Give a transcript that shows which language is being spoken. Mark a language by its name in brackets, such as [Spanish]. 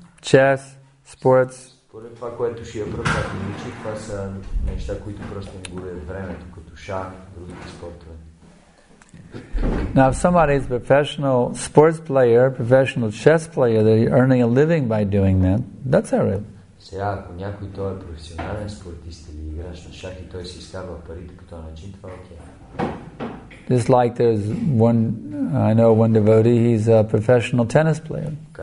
[English] Chess, sports. Now, if somebody is a professional sports player, professional chess player, they're earning a living by doing that. That's all right. [Bulgarian] Сега, ако някой той е професионален спортист или играч на шах и той си изкарва парите по този начин, това е окей. [English] Just like there's one, I know one devotee, he's a professional tennis player.